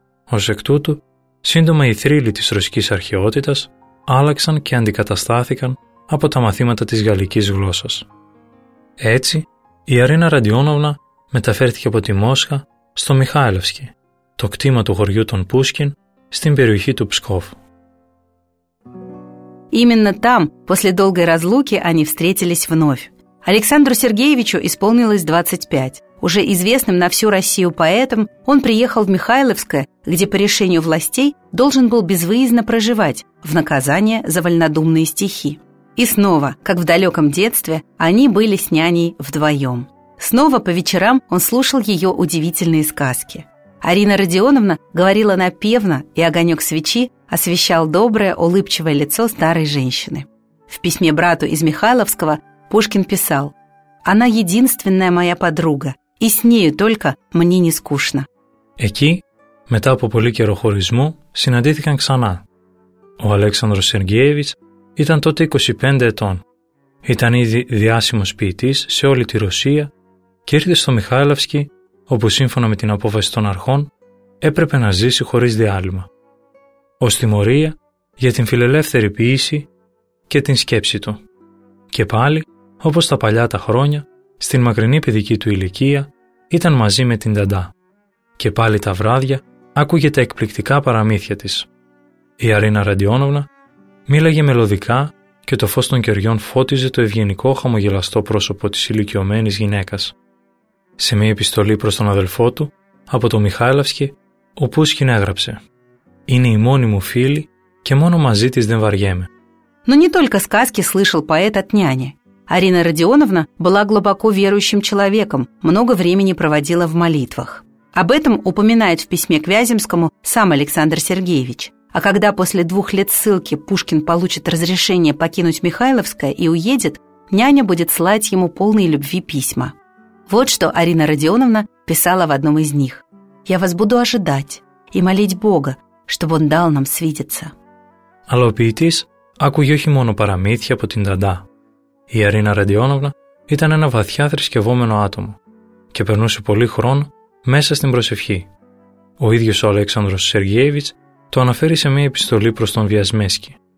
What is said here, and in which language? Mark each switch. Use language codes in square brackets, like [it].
[el] Ως εκ τούτου, σύντομα οι θρύλοι της ρωσικής αρχαιότητας άλλαξαν και αντικαταστάθηκαν από τα μαθήματα της γαλλικής γλώσσας. Έτσι, η Αρίνα Ραντιόνοβνα μεταφέρθηκε από τη Μόσχα στο Μιχάηλευσκι, το κτήμα του χωριού των Πούσκιν, στην περιοχή του Ψκόφ. [ru] Именно там, после долгой разлуки, они встретились вновь. Александру Сергеевичу исполнилось 25. Уже известным на всю Россию поэтом, он приехал в Михайловское, где по решению властей должен был безвыездно проживать в наказание за вольнодумные стихи. И снова, как в далеком детстве, они были с няней вдвоем. Снова по вечерам он слушал ее удивительные сказки. Арина Родионовна говорила напевно, и огонек свечи освещал доброе, улыбчивое лицо старой женщины. В письме брату из Михайловского Пушкин писал: «Она единственная моя подруга, и с нею только мне не скучно». [el] Εκεί, μετά από πολύ καιρό χωρισμού, συναντήθηκαν ξανά. Ο Αλέξανδρος Σεργέεβιτς ήταν τότε 25 ετών. Ήταν ήδη διάσημος ποιητής σε όλη τη Ρωσία και ήρθε στο Μιχάηλαυσκι, όπου σύμφωνα με την απόφαση των αρχών, έπρεπε να ζήσει χωρίς διάλειμμα. Ως τιμωρία για την φιλελεύθερη ποιήση και την σκέψη του. Και πάλι, όπως τα παλιά τα χρόνια, στην μακρινή παιδική του ηλικία, ήταν μαζί με την Νταντά. Και πάλι τα βράδια άκουγε τα εκπληκτικά παραμύθια της. Η Αρίνα Ραντιόνοβνα μίλαγε μελωδικά και το φως των κεριών φώτιζε το ευγενικό χαμογελαστό πρόσωπο της ηλικιωμένης γυναίκας. Σε μια επιστολή προς τον αδελφό του, από το Μιχάηλαυσκι, ο Πούσκιν έγραψε: «Είναι η μόνη μου φίλη και μόνο μαζί της δεν βαριέμαι». [ru] Но не только сказки слышал поэт от няни. Арина Родионовна была глубоко верующим человеком, много времени проводила в молитвах. Об этом упоминает в письме к Вяземскому сам Александр Сергеевич. А когда после 2 лет ссылки Пушкин получит разрешение покинуть Михайловское и уедет, няня будет слать ему полные любви письма. Вот что Арина Родионовна писала в одном из них: «Я вас буду ожидать и молить Бога, чтобы он дал нам свидеться». Алло, пиетис? [el] Άκουγε όχι μόνο παραμύθια από την Νταντά. Η Αρίνα Ραντιόνοβνα ήταν ένα βαθιά θρησκευόμενο άτομο και περνούσε πολύ χρόνο μέσα στην προσευχή. Ο ίδιος ο Αλέξανδρος Σεργέεβιτς το αναφέρει σε μια επιστολή προς τον Βιασμέσκι.